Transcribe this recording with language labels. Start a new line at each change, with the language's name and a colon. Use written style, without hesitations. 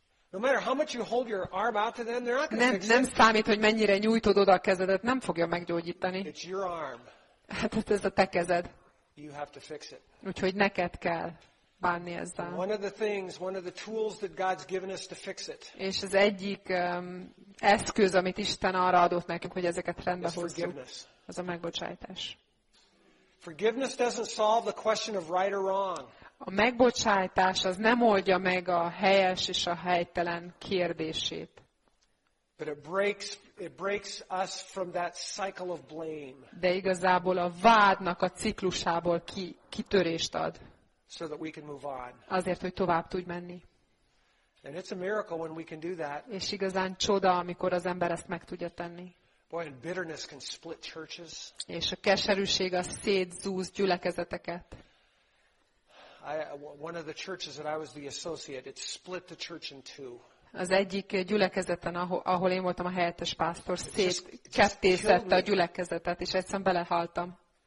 English: No matter how much you hold your arm out to them, they're not going to fix it.
Hungarian: Nem számít, hogy mennyire nyújtod oda a kezedet, nem fogja meggyógyítani.
English: It's your arm.
Hungarian: Hát ez a te kezed.
English: You have to fix it.
Hungarian: Úgyhogy neked kell bánni ezzel.
English: One of the things, one of the tools that God's given us to fix it.
Hungarian: És az egyik eszköz, amit Isten arra adott nekünk, hogy ezeket rendbe hozzuk, az a megbocsájtás.
English: Forgiveness doesn't solve the question of right or wrong.
Hungarian: A megbocsájtás az nem oldja meg a helyes és a helytelen kérdését.
English: But it breaks us from that cycle of blame.
Hungarian: De igazából a vádnak a ciklusából kitörést ad.
English: So that we can move on.
Hungarian: Azért, hogy tovább tudj menni.
English: And it's a miracle when we can do that.
Hungarian: És igazán csoda, amikor az ember ezt meg tudja tenni.
English: Boy, and bitterness can split churches.
Hungarian: És a keserűség az szétzúz gyülekezeteket.
English: One of the churches that I was the associate, it split the church in two.
Hungarian: Az egyik gyülekezeten, ahol én voltam a helyettes pásztor, szétkettészette a gyülekezetet, és egyszerűen belehaltam.